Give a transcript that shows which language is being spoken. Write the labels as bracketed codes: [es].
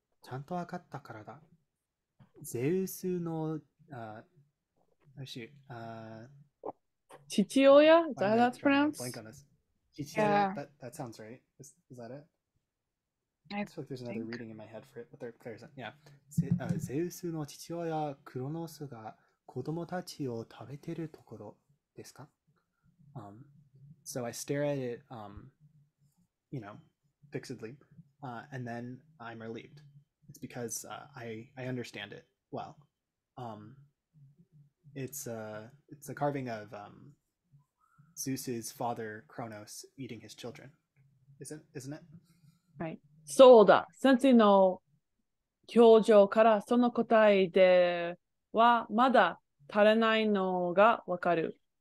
[en] I understood it. Zeus's, Chichioya? Is that how that's pronounced? Blank on this. Chichioya, yeah. That sounds right. Is that it? I feel like there's another think. Reading in my head for it, but there isn't. Yeah. [ja] ゼウスの父親 クロノスが子供たちを食べてるところですか? [en] So I stare at it, you know, fixedly, and then I'm relieved. It's because I understand it well. It's a carving of Zeus's father Cronos eating his children. Isn't it? Right. [ja] そうだ。先生の表情からその答えではまだ足りないのがわかる。